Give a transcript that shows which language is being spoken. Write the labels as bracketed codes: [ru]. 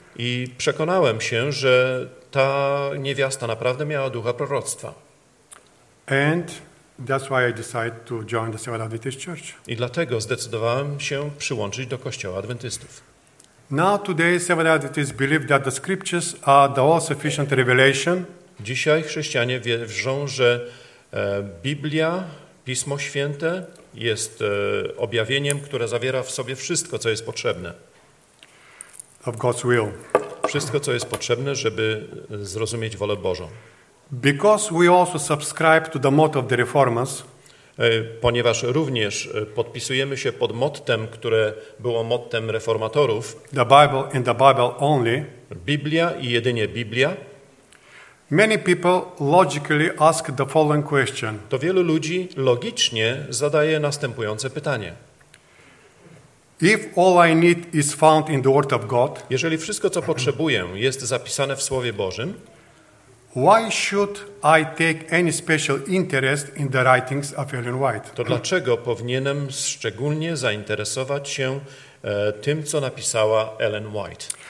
[pl] I przekonałem się, że ta niewiasta naprawdę miała ducha proroctwa. [en] And that's why I decided to join the Seventh Adventist Church. [pl] I dlatego zdecydowałem się przyłączyć do Kościoła Adwentystów. [en] Now today Seventh Adventists believe that the scriptures are the all sufficient revelation. [pl] Dzisiaj chrześcijanie wierzą, że Biblia, Pismo Święte jest objawieniem, które zawiera w sobie wszystko, co jest potrzebne. [en] Of God's will. [pl] Wszystko, co jest potrzebne, żeby zrozumieć wolę Bożą. [en] Because we also subscribe to the motto of the reformers. [pl] Ponieważ również podpisujemy się pod mottem, które było mottem reformatorów. [en] The Bible and the Bible only. [pl] Biblia i jedynie Biblia. [en] Many people logically ask the following question. [pl] To wielu ludzi logicznie zadaje następujące pytanie. [en] If all I need is found in the Word of God, [pl] jeżeli wszystko, co potrzebuję, jest zapisane w Słowie Bożym, [en] why should I take any special interest in the writings of Ellen White? [pl] To dlaczego powinienem szczególnie zainteresować się tym, co napisała Ellen White?